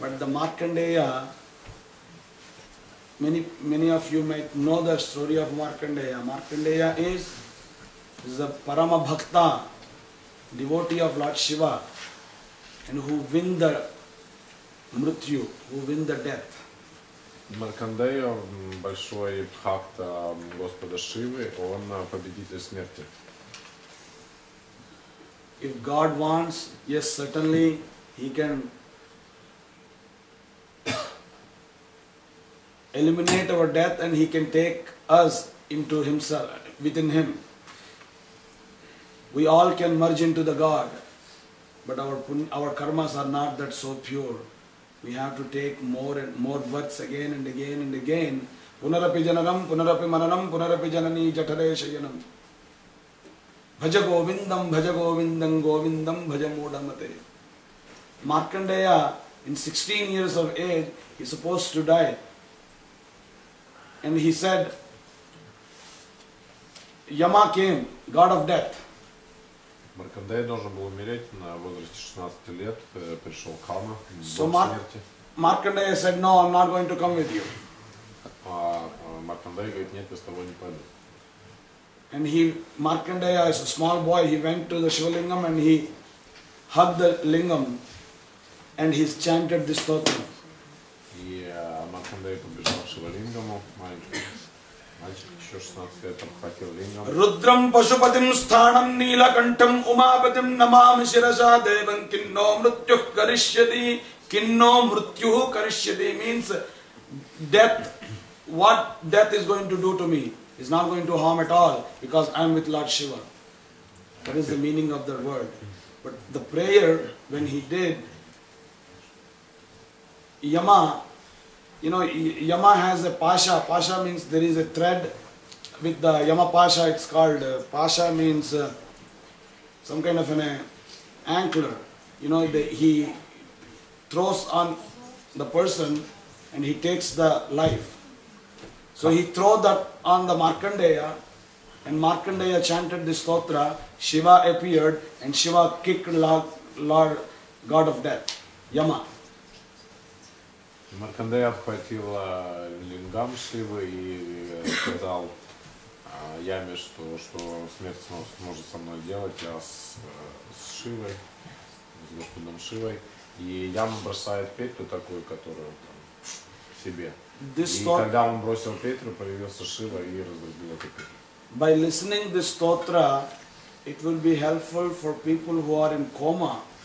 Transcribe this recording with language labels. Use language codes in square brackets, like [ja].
[en] But the Markandeya, many of you might know the story of Markandeya. Markandeya is a Parama Bhakta, devotee of Lord Shiva. And who win the mrityu, who win the death. [ru] Маркандея, большой бхакта Господа Шивы, он победитель смерти. [en] If God wants, yes, certainly he can eliminate our death and he can take us into himself, within him. We all can merge into the God. But our karmas are not that so pure. We have to take more and more births again and again and again. [sa] Punarapi janam, punarapi maranam, punarapi janani jathare shayanam. Bhaja govindam, govindam, bhajamudamate. [en] Markandeya, in 16 years of age, is supposed to die. And he said, Yama came, God of death. [ru] Маркандея должен был умереть на возрасте 16 лет, пришел Кама, [en] so [ru] смерти. [en] Маркандея said, no, I'm not going to come with you. [ru] А Маркандея говорит, нет, я с тобой не пойду. [en] And he, Markandeya is a small boy, he went to the Shivalingam and he hugged the lingam and he chanted this stotra. [ru] И Маркандея побежал к Шивалингаму, мальчик еще 16 лет обхватил лингам. [sa] Рудрам Пашупатим Станам Нилакантам Умапатим Намами Сираса Девам Кинно Мрутью Каришьяди. Кинно Мрутью Каришьяди [en] means death. What death is going to do to me is not going to harm at all because I am with Lord Shiva. That is the meaning of that word. But the prayer when he did, Yama, you know, Yama has a Pasha. Pasha means there is a thread with the Yama Pasha, it's called. Pasha means some kind of an ankler. You know, he throws on the person and he takes the life. So he throw that on the Markandeya and Markandeya chanted this stotra. Shiva appeared and Shiva kicked Lord God of Death, Yama. [ru] Маркандея обхватил лингам Шивы и сказал Яме, что смерть сможет со мной делать, я с Шивой, с Господом Шивой. И Яма бросает петлю такую, которую там себе. [en] This [ru] и [en] stotra, [ru] когда он бросил петлю, появился Шива и разрубил эту петлю. [en] By listening this stotra, it will be helpful for people who are in coma.